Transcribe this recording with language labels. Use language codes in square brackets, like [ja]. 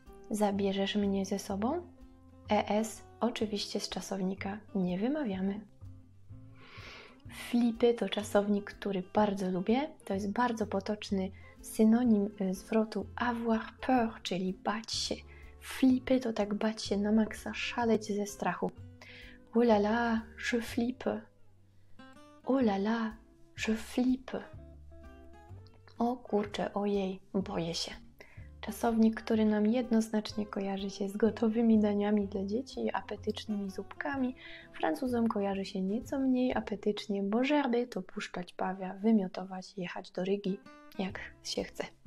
[pl] Zabierzesz mnie ze sobą? ES oczywiście z czasownika nie wymawiamy. Flipper to czasownik, który bardzo lubię. To jest bardzo potoczny synonim zwrotu avoir peur, czyli bać się. Flipper to tak bać się na maksa, szaleć ze strachu. [fr] Oh là là, je flippe. Oh là là, je flippe. [pl] O kurczę, ojej, boję się. Czasownik, który nam jednoznacznie kojarzy się z gotowymi daniami dla dzieci, apetycznymi zupkami, Francuzom kojarzy się nieco mniej apetycznie, bo żerby to puszczać pawia, wymiotować, jechać do Rygi, jak się chce.